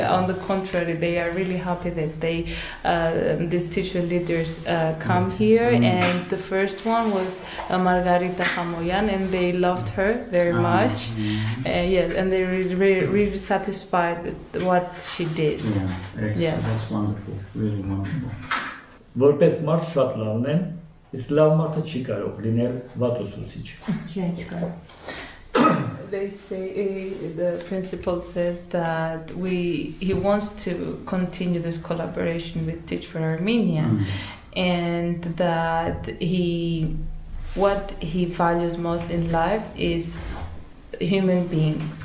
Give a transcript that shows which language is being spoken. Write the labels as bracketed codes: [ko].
[en] Very on the contrary, they are really happy that they these teacher leaders come here. And the first one was Margarita Hamoyan, and they loved her very much. Yes, and they really satisfied with what she did. Yeah, that's wonderful, really wonderful. [hy] Որպես մարդ շատ լավն են, իսկ լավ մարդը չի կարող լինել վատ ուսուցիչ։ [en] They say the principal says that he wants to continue this collaboration with Teach for Armenia, and that what he values most in life is human beings.